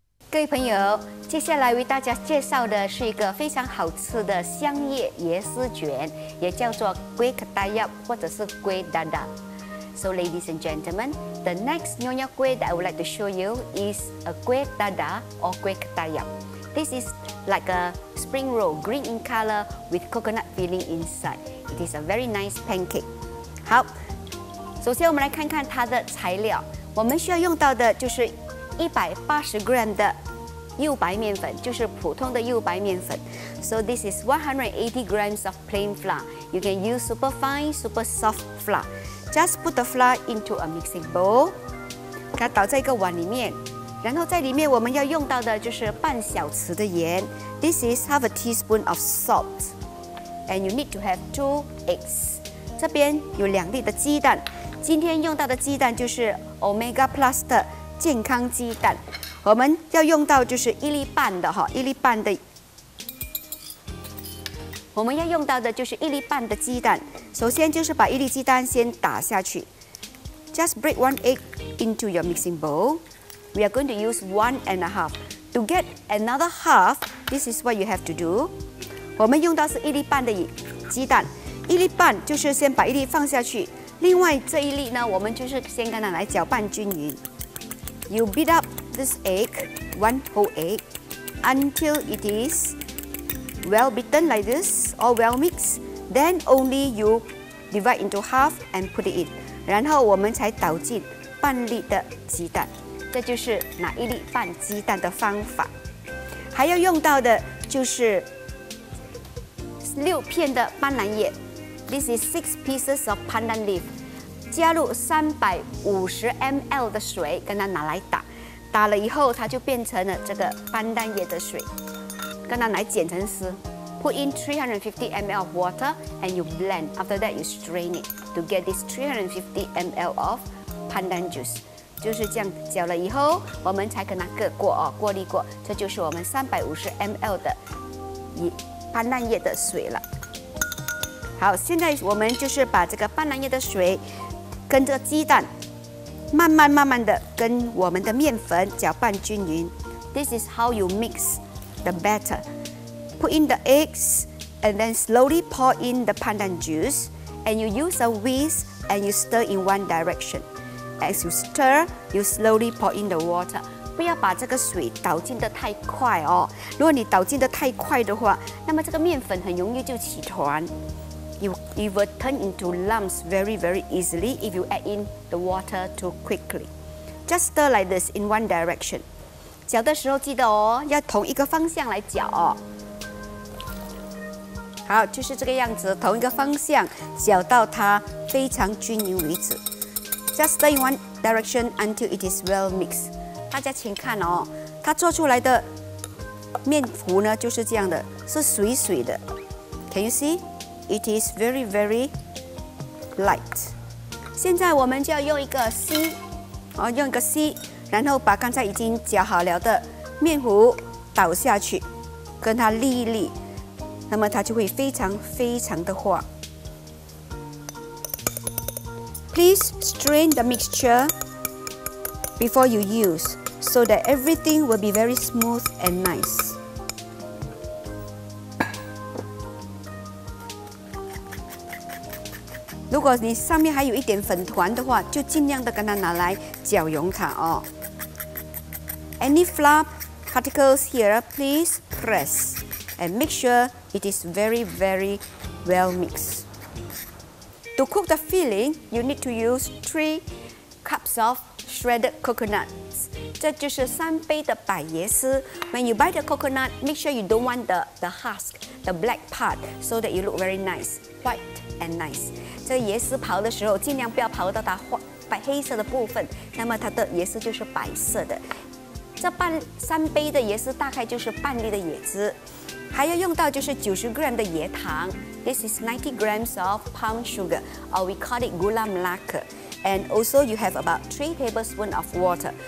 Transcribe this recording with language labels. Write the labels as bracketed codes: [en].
[zh] 各位朋友，接下来为大家介绍的是一个非常好吃的香叶椰丝卷，也叫做龟壳大叶或者是龟蛋蛋。 [en] So ladies and gentlemen, the next Nyonya kueh that I would like to show you is a kueh dada or kueh ketayap. This is like a spring roll, green in color with coconut filling inside. It is a very nice pancake. [zh] 好，首先我们来看看它的材料。我们需要用到的就是180g 的幼白面粉，就是普通的幼白面粉。 [en] So this is 180g of plain flour. You can use super fine, super soft flour. Just put the flour into a mixing bowl， [zh] 给它倒在一个碗里面，然后在里面我们要用到的就是半小匙的盐 [en] ，This is half a teaspoon of salt，and you need to have 2 eggs。 [zh] 这边有2粒的鸡蛋，今天用到的鸡蛋就是 Omega Plus 的健康鸡蛋，我们要用到就是一粒半的。我们要用到的就是一粒半的鸡蛋，首先就是把一粒鸡蛋先打下去。 [en] Just break one egg into your mixing bowl. We are going to use 1.5. To get another half, this is what you have to do. [zh] 我们用到是一粒半的鸡蛋，一粒半就是先把一粒放下去，另外这一粒呢，我们就是先跟它来搅拌均匀。 [en] You beat up this egg, one whole egg, until it is... well beaten like this or well mixed, then only you divide into half and put it in. [zh] 然后我们才倒进半粒的鸡蛋，这就是拿一粒半鸡蛋的方法。还要用到的就是6片的斑斓叶 ， [en] This is 6 pieces of pandan leaf. [zh] 加入350 ml 的水，跟它拿来打，打了以后它就变成了这个斑斓叶的水。跟它来剪成丝 [en] ，put in 350 ml of water and you blend. After that, you strain it to get this 350 ml of pandan juice. [zh] 就是这样搅了以后，我们才跟它各过哦，过滤过。这就是我们350 ml 的斑斓叶的水了。好，现在我们就是把这个斑斓叶的水跟这个鸡蛋慢慢慢慢的跟我们的面粉搅拌均匀。 [en] This is how you mix. The batter. Put in the eggs and then slowly pour in the pandan juice and you use a whisk and you stir in one direction. As you stir, you slowly pour in the water. [zh] 不要把这个水倒进得太快哦。如果你倒进得太快的话，那么这个面粉很容易就起团。 [en] You will turn into lumps very, very easily if you add in the water too quickly. Just stir like this in one direction. [zh] 搅的时候记得哦，要同一个方向来搅哦。好，就是这个样子，同一个方向搅到它非常均匀为止。 [en] Just stir in one direction until it is well mixed. [zh] 大家请看哦，它做出来的面糊呢就是这样的，是水水的。 [en] Can you see? It is very very light. [zh] 现在我们就要用一个锡，然后把刚才已经搅好了的面糊倒下去，跟它沥一沥，那么它就会非常非常的滑。 [en] Please strain the mixture before you use, so that everything will be very smooth and nice. [zh] 如果你上面还有一点粉团的话，就尽量的跟它拿来搅融它哦。 [en] Any flour particles here, please press and make sure it is very, very well mixed. To cook the filling, you need to use 3 cups of shredded coconuts. [zh] 这就是3杯的百椰丝。 [en] When you buy the coconut, make sure you don't want the husk, the black part, so that you look very nice, white and nice. [zh] 这椰丝刨的时候，尽量不要刨到它黑色的部分，那么它的椰丝就是白色的。这3杯的椰丝大概就是半粒的椰汁，还要用到就是90g 的椰糖 ， [en] This is 90g of palm sugar, or we call it gula melaka, and also you have about 3 tablespoons of water.